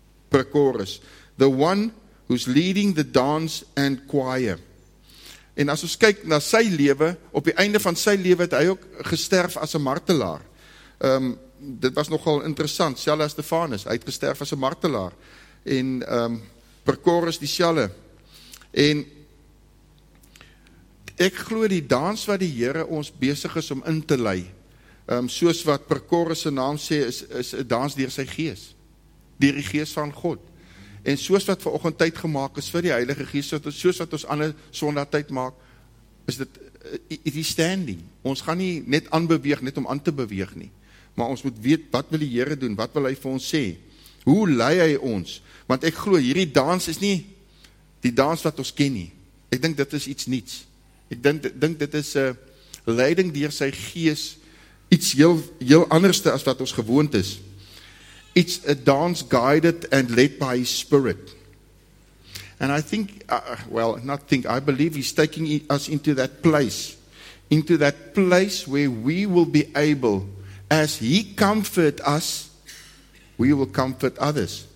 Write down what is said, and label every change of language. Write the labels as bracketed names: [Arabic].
[English] Prochorus, the one who's leading the dance and choir. [Afrikaans] En as ons kyk na sy lewe, op die einde van sy lewe het hy ook gesterf as 'n martelaar. Dit was nogal interessant, selfs as Stefanus, hy het gesterf as 'n martelaar. En Prochorus dieselfde. En ek glo die dans wat die Here ons besig is om in te lei, soos wat Prochorus se naam sê, is 'n dans deur sy gees, deur die gees van God. En soos wat vanoggend tyd gemaak is vir die Heilige Gees, soos wat ons ander sondag tyd maak, is dit die standing. Ons gaan nie net aanbeweeg, net om aan te beweeg nie. Maar ons moet weet, wat wil die Here doen? Wat wil hy vir ons sê? Hoe lei hy ons? Want ek glo, hierdie dans is nie die dans wat ons ken nie. Ek dink dit is iets niets. Ek dink dit is leiding deur sy gees, iets heel anderste as wat ons gewoond is. [English] It's a dance guided and led by his spirit. And I think, I believe he's taking us into that place. Into that place where we will be able, as he comfort us, we will comfort others.